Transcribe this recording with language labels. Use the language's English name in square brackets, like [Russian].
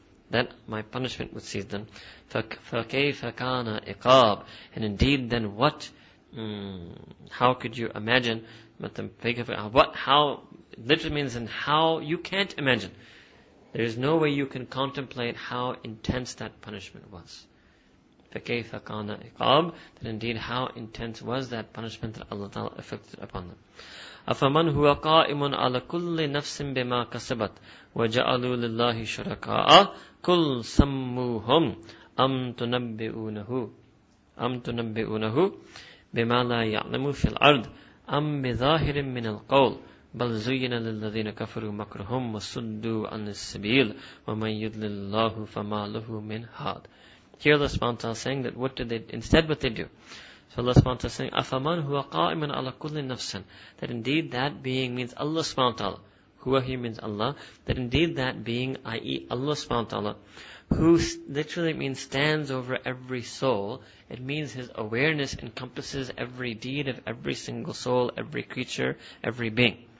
[English] Then my punishment would seize them. [Arabic] فَكَيْفَ كَانَ إِقَابِ [English] And indeed then what, how could you imagine, how you can't imagine. There is no way you can contemplate how intense that punishment was. [Arabic] فَكَيْفَ كَانَ إِقَابِ [English] That indeed how intense was that punishment that Allah Ta'ala inflicted upon them. [Arabic] أَفَمَنْ هُوَ قَائِمٌ عَلَى كُلِّ نَفْسٍ بِمَا كَسَبَتْ وَجَعَلُوا لِلَّهِ شُرَكَاءَ كُلْ سَمُّوهُمْ أَمْ تُنَبِّئُونَهُ بِمَا لَا يَعْلَمُ فِي الْأَرْضِ أَمْ بِظَاهِرٍ مِّنَ الْقَوْلِ بَلْ زُيِّنَ لِلَّذِينَ كَفَرُوا مَكْرُهُمْ وَصُدُّوا عَنِ السَّبِيلِ وَمَنْ يُضْلِلِ اللَّهُ فَمَا لَهُ مِنْ هَادٍ [English] Here Allah subhanahu wa ta'ala saying that what they do? So Allah subhanahu wa ta'ala saying, [Arabic] أَفَمَنْ هُوَ قَائِمٌ عَلَى كُلِّ نَفْسٍ [English] That indeed that being means Allah subhanahu wa ta'ala. Huwa he means Allah. That indeed that being, i.e. Allah subhanahu wa ta'ala, who literally means stands over every soul. It means his awareness encompasses every deed of every single soul, every creature, every being.